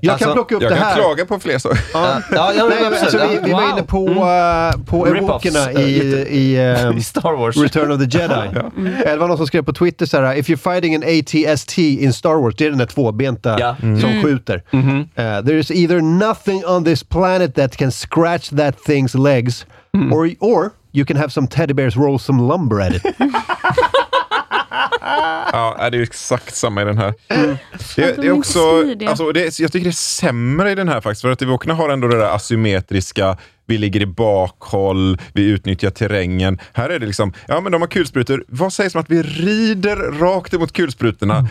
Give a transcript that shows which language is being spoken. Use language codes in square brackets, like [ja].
[sv] Jag kan plocka upp det här. Jag kan klaga på fler saker. Vi var inne på evokerna i Star Wars. Return of the Jedi. Det var någon som skrev på Twitter såhär, [en] if you're fighting an AT-ST in Star Wars, [sv] det är den där tvåbenta som skjuter. [en] There is either nothing on this planet that can scratch that thing's legs, or you can have some teddy bears roll some lumber at it. [sv] Ja, det är ju exakt samma i den här. Det är också, alltså, det, jag tycker det är sämre i den här faktiskt, för att vi åkerna har ändå det där asymmetriska, vi ligger i bakhåll, vi utnyttjar terrängen. Här är det liksom, ja men de har kulsprutor, vad sägs om att vi rider rakt emot kulsprutorna?